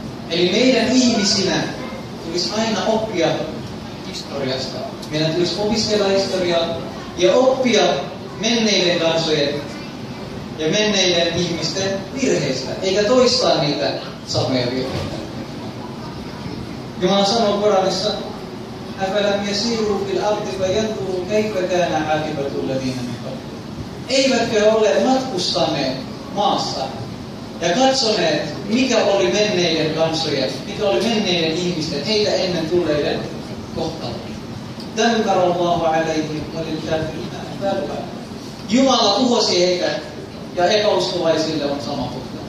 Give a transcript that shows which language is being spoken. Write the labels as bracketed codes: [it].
[fi] Eli meidän ihmisinä tulisi aina oppia historiasta. Meidän tulisi opiskella historiaa ja oppia menneiden kansojen ja menneiden ihmisten virheistä. Eikä toistaa niitä samoja virheitä. Jumala sanoo Koranissa: [ar] أَفَلَمْ يَسِيرُوا فِي الْأَرْضِ فَيَنْظُرُوا كَيْفَ كَانَ عَاقِبَةُ الَّذِينَ مِنْ قَبْلِهِمْ. [fi] Eivätkö ole matkustaneet maassa ja katsoneet, mikä oli menneiden kansojen, mikä oli menneiden ihmisten, heitä ennen tulleiden kohtalo. [ar] دَنْكَرَ اللَّهُ عَلَيْهِمْ وَلِلْكَافِرِينَ أَمْثَالُهَا. [fi] Jumala tuhosi heitä ja epäuskovaisille on sama kohtalo.